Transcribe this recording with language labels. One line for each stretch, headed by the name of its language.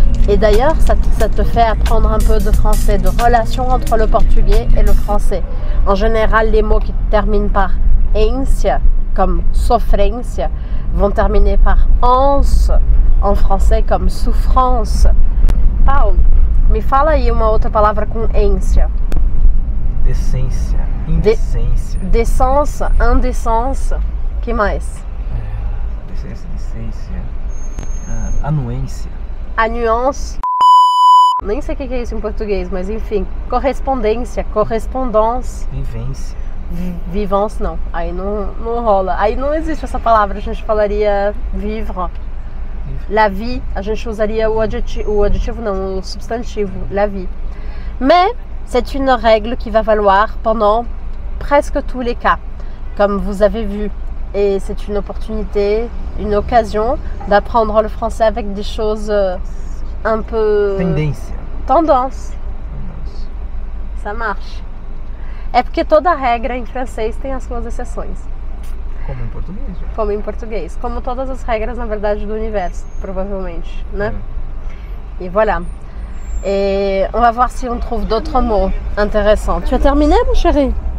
French: Et d'ailleurs, ça te fait apprendre un peu de français, de relation entre le portugais et le français. En général, les mots qui terminent par « ência », comme « sofrência », vont terminer par « anse », en français comme « souffrance ».
Portuguese: Paulo, me fala aí uma outra palavra com « ência ». Decência, indecência. Decência, indecência. Que mais? Decência, indecência. Anuência.
French: A nuance.
Portuguese: Nem sei o que é isso em português, mas enfim. Correspondência, correspondance. Vivência. Vivance, não. Aí não rola. Aí não existe essa palavra. A gente falaria vivre. La vie. A gente usaria o substantivo. La vie.
French: Mais c'est une règle qui va valoir pendant presque tous les cas, comme vous avez vu. Et c'est une opportunité, une occasion d'apprendre le français avec des choses un peu... Tendance. Ça marche.
Portuguese: É porque toda regra em francês tem as suas exceções. Como em português. Já. Como em português. Como todas as regras, na verdade, do universo, provavelmente, né? E voilà.
French: Et on va voir si on trouve d'autres mots intéressants. Tu as terminé, mon chéri?